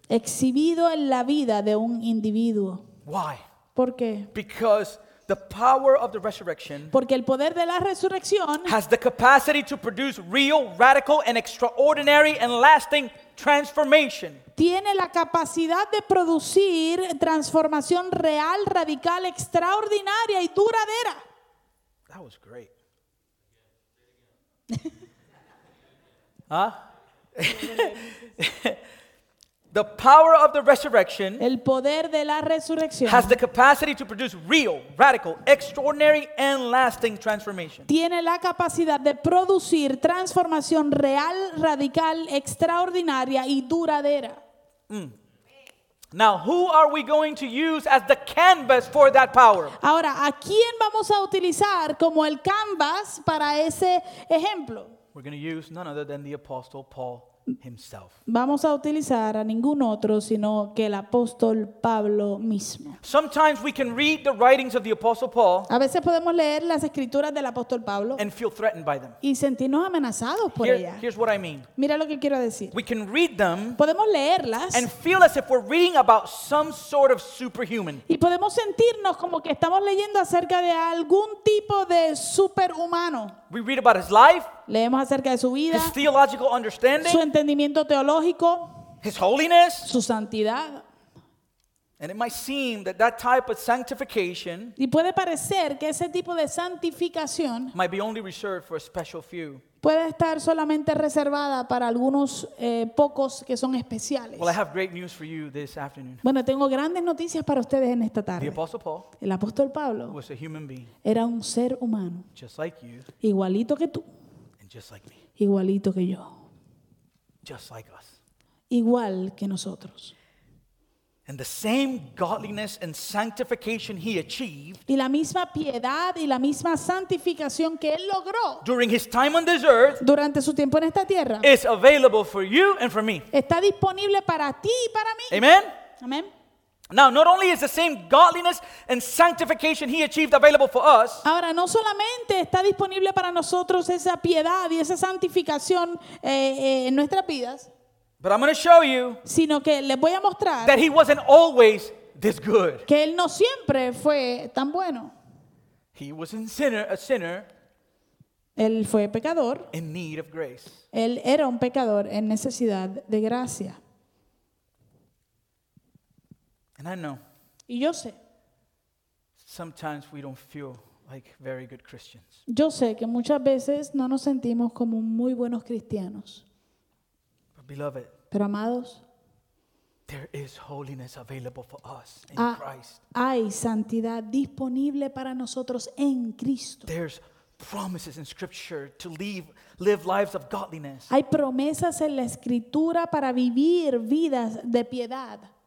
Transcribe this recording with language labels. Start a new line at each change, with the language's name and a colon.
Spanish: Exhibido en la vida de un individuo.
English: Why?
Spanish: ¿Por qué?
English: Because the power of the resurrection,
Spanish: porque el poder de la resurrección,
English: has the capacity to produce real, radical, and extraordinary and lasting transformation.
Spanish: Tiene la capacidad de producir transformación real, radical, extraordinaria y duradera.
English: That was great. Huh? The power of the resurrection,
Spanish: el poder de la resurrección,
English: has the capacity to produce real, radical, extraordinary, and lasting transformation.
Spanish: Tiene la capacidad de producir transformación real, radical, extraordinaria y duradera. Mm.
English: Now, who are we going to use as the canvas for that power?
Spanish: Ahora, ¿a quién vamos a utilizar como el canvas para ese ejemplo?
English: We're going to use none other than the apostle Paul. Himself.
Spanish: Vamos a utilizar a ningún otro sino que el apóstol Pablo mismo.
English: Sometimes we can read the writings of the apostle Paul.
Spanish: A veces podemos leer las escrituras del apóstol Pablo.
English: And feel threatened by them.
Spanish: Y sentirnos amenazados por ellas.
English: Here's what I mean.
Spanish: Mira lo que quiero decir.
English: We can read them.
Spanish: Podemos leerlas.
English: And feel as if we're reading about some sort of superhuman.
Spanish: Y podemos sentirnos como que estamos leyendo acerca de algún tipo de superhumano.
English: We read about his life.
Spanish: Leemos acerca de su vida,
English: his theological understanding,
Spanish: su entendimiento teológico,
English: his holiness,
Spanish: su santidad.
English: And it might seem that that type of sanctification,
Spanish: y puede parecer que ese tipo de santificación,
English: might be only reserved for a special few.
Spanish: Puede estar solamente reservada para algunos pocos que son especiales.
English: Well, I have great news for you this afternoon.
Spanish: Bueno, tengo grandes noticias para ustedes en esta tarde.
English: The Apostle Paul,
Spanish: el apóstol Pablo,
English: was a human being,
Spanish: era un ser humano,
English: just like you,
Spanish: igualito que tú.
English: Just like me.
Spanish: Igualito que yo.
English: Just like us.
Spanish: Igual que nosotros.
English: And the same godliness and sanctification he achieved.
Spanish: Y la misma piedad y la misma santificación que él logró.
English: During his time on this earth.
Spanish: Durante su tiempo en esta tierra.
English: Is available for you and for me.
Spanish: Está disponible para ti y para mí.
English: Amen.
Spanish: Amen.
English: Now, not only is the same godliness and sanctification he achieved available for us.
Spanish: Ahora, no solamente está disponible para nosotros esa piedad y esa santificación en nuestras vidas.
English: But I'm going to show you.
Spanish: Sino que les voy a mostrar.
English: That he wasn't always this good.
Spanish: Que él no siempre fue tan bueno.
English: He was a sinner.
Spanish: Él fue pecador.
English: In need of grace.
Spanish: Él era un pecador en necesidad de gracia.
English: And I know.
Spanish: Y yo sé.
English: Sometimes we don't feel like very good Christians.
Spanish: Yo sé que muchas veces no nos sentimos como muy buenos cristianos.
English: But beloved.
Spanish: Pero amados.
English: There is holiness available for us in Christ.
Spanish: Hay santidad disponible para nosotros en Cristo.
English: There's promises in Scripture to live lives of godliness.
Spanish: Hay promesas en la Escritura para vivir vidas de piedad.